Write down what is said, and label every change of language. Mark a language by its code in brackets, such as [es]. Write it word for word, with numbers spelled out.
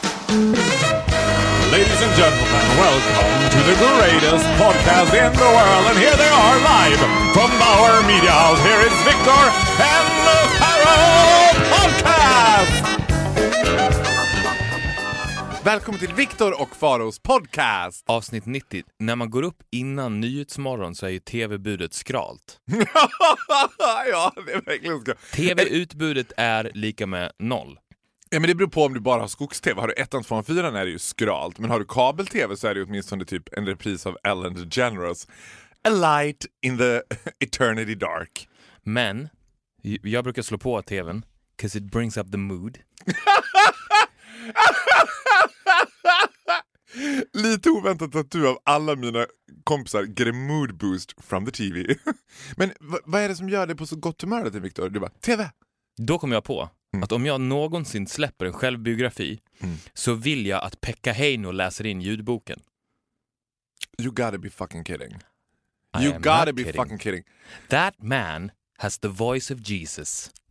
[en] Ladies and gentlemen, welcome to the greatest podcast in the world. And here they are live from Bauer Media House. Here is Victor and the Pharaoh Podcast! [sv] Välkommen till Victor och Faros podcast. Avsnitt nittio. När man går upp innan Nyhetsmorgon så är ju tv-budet skralt. Ja, det är verkligen skralt. Tv-utbudet är lika med noll. Ja, men det beror på om du bara har skogs-tv. Har du ett två fyra är det ju skralt. Men har du kabel-tv så är det åtminstone typ en repris av Ellen DeGeneres. [en] A light in the eternity dark. [sv] Men jag brukar slå på tvn. [en] 'Cause it brings up the mood. [sv] Lite oväntat att du av alla mina kompisar [en] get a mood boost from the T V. [sv] Men v- vad är det som gör det på så gott humör till Victor? Du bara, tv! Då kom jag på mm. att om jag någonsin släpper en självbiografi mm. så vill jag att Pekka Heino läser in ljudboken. [en] You gotta be fucking kidding. I you gotta be kidding. fucking kidding. That man has the voice of Jesus.